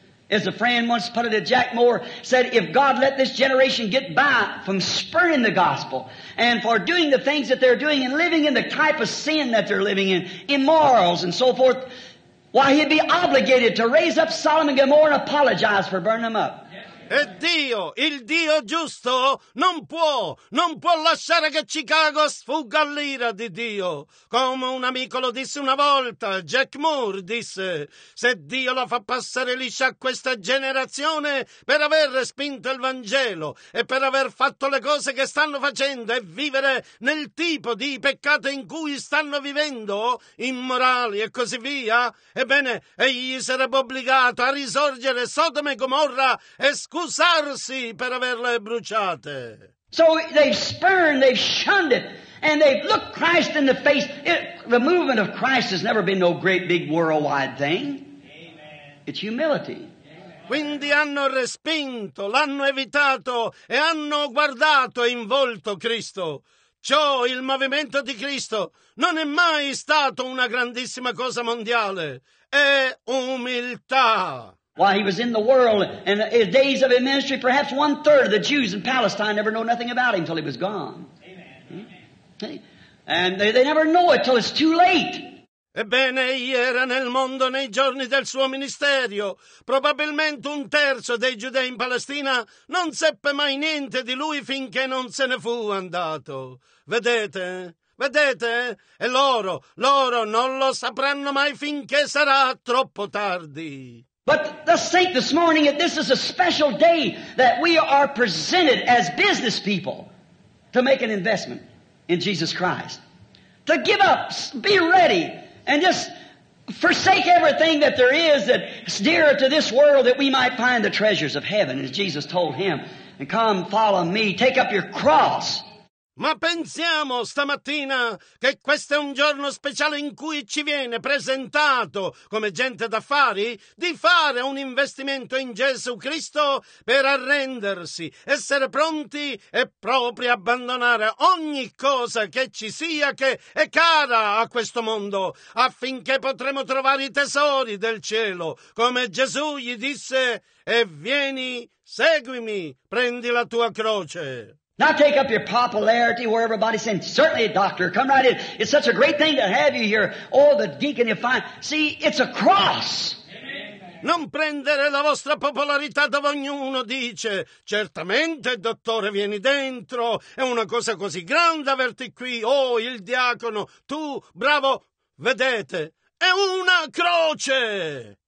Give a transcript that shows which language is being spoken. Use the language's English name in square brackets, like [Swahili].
[English] As a friend once put it, Jack Moore said, if God let this generation get by from spurning the gospel and for doing the things that they're doing and living in the type of sin that they're living in, immorals and so forth, why, he'd be obligated to raise up Sodom and Gomorrah and apologize for burning them up. [Italian] E Dio, il Dio giusto, non può lasciare che Chicago sfugga all'ira di Dio. Come un amico lo disse una volta, Jack Moore disse, se Dio la fa passare liscia a questa generazione per aver respinto il Vangelo e per aver fatto le cose che stanno facendo e vivere nel tipo di peccato in cui stanno vivendo, immorali e così via, ebbene, egli sarebbe obbligato a risorgere Sodoma e Gomorra e scusarsi per averle bruciate. [English] So they've spurned, they've shunned it, and they've looked Christ in the face. The movement of Christ has never been no great big worldwide thing. Amen. It's humility. [Italian] Quindi hanno respinto, l'hanno evitato e hanno guardato in volto Cristo. Ciò, il movimento di Cristo, non è mai stato una grandissima cosa mondiale. È umiltà. [English] While he was in the world, and in the days of his ministry, perhaps one third of the Jews in Palestine never know nothing about him until he was gone. Amen. And they never know it till it's too late. [Italian] Ebbene, egli era nel mondo nei giorni del suo ministero. Probabilmente un terzo dei giudei in Palestina non seppe mai niente di lui finché non se ne fu andato. Vedete? Vedete? E loro non lo sapranno mai finché sarà troppo tardi. [English] But the saint this morning, this is a special day that we are presented as business people to make an investment in Jesus Christ. To give up, be ready, and just forsake everything that there is that's dearer to this world that we might find the treasures of heaven, as Jesus told him, and come follow me, take up your cross. [Italian] Ma pensiamo stamattina che questo è un giorno speciale in cui ci viene presentato come gente d'affari di fare un investimento in Gesù Cristo per arrendersi, essere pronti e proprio abbandonare ogni cosa che ci sia che è cara a questo mondo affinché potremo trovare i tesori del cielo, come Gesù gli disse, e vieni, seguimi, prendi la tua croce. [English] Now take up your popularity where everybody's saying, certainly, doctor, come right in. It's such a great thing to have you here. Oh, the deacon, you find. See, it's a cross. [Italian] Non prendere la vostra popolarità dove ognuno dice, certamente, dottore, vieni dentro. È una cosa così grande averti qui. Oh, il diacono, tu, bravo, vedete, è una croce.